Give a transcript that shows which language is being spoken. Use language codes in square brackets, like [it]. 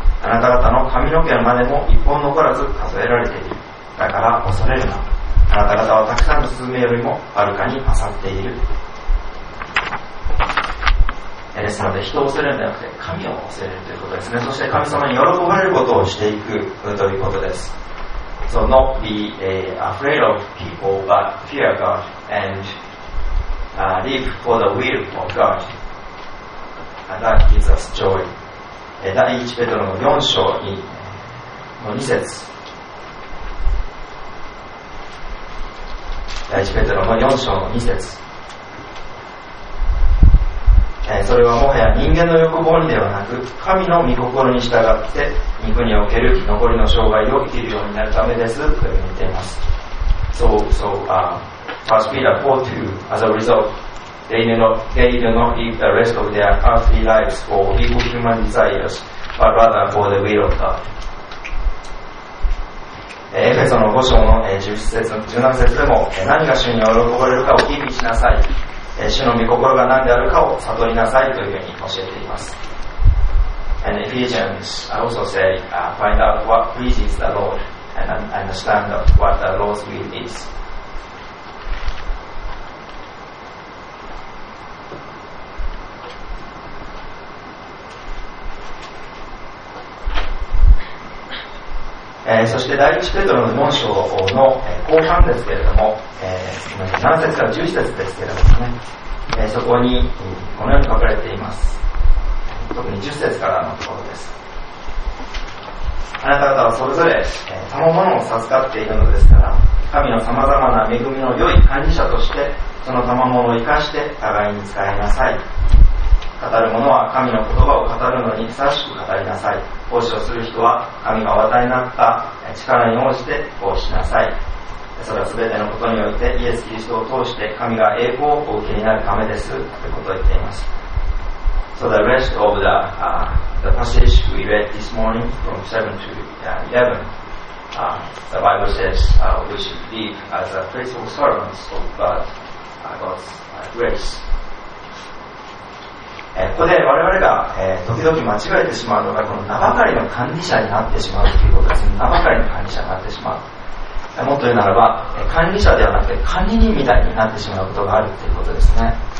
[ja] あなた方の髪の毛までも一本残らず数えられている。だから恐れるな。あなた方はたくさんのスズメよりもはるかに勝っている。ですので人を恐れるんじゃなくて神を恐れるということですね。そして神様に喜ばれることをしていくということです。 [en] So not be afraid of people but fear God and live for the will of God and that gives us joy. [ja] 第1ペトロの4章の2節、第1ペトロの4章の2節、それはもはや人間の欲望にではなく神の御心に従って肉における残りの生涯を生きるようになるためですと言っています。 [en] 1 Peter 4:2 As a result they do not live the rest of their earthly lives for evil human desires but rather for the will of God。 [ja] エフェソの5章の17節でも、何が主に喜ばれるかを吟味しなさい、主の御心が何であるかを悟りなさいというふうに教えています。 [en] And Ephesians also say find out what pleases the Lord and understand what the Lord's will is。 [ja] そして第一ペトロの4章の後半ですけれども、7節から11節ですけれどもね、そこにこのように書かれています。特に10節からのところです。あなた方はそれぞれ賜物を授かっているのですから、神のさまざまな恵みの良い管理者としてその賜物を生かして互いに使いなさい。語る者は神の言葉を語るのにふさわしく語りなさい。奉仕をする人は神がお与えになった力に応じて奉仕なさい。それは全てのことにおいてイエス・キリストを通して神が栄光をお受けになるためですということを言っています。 [en] So the rest of the,the passage we read this morning from 7 to 11, the Bible says we should live as a faithful servant of God, God's grace. [ja] ここで我々が、時々間違えてしまうのがこの名ばかりの管理者になってしまうということですね。名ばかりの管理者になってしまう、もっと言うならば管理者ではなくて管理人みたいになってしまうことがあるということですね。